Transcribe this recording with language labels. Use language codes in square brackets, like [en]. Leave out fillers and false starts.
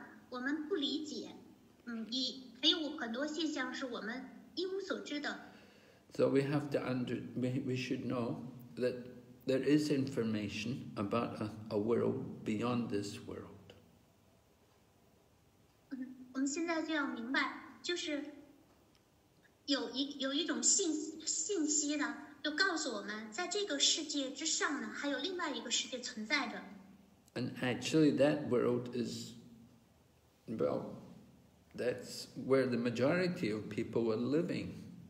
[zh] 我们不理解，还有很多现象是我们一无所知的。 [en] So we have to we should know that there is information about a world beyond this world. [zh] 我们现在就要明白，就是有一种信息呢，就告诉我们，在这个世界之上呢，还有另外一个世界存在着。 [en] And actually, that world is. Well, that's where the majority of people were living.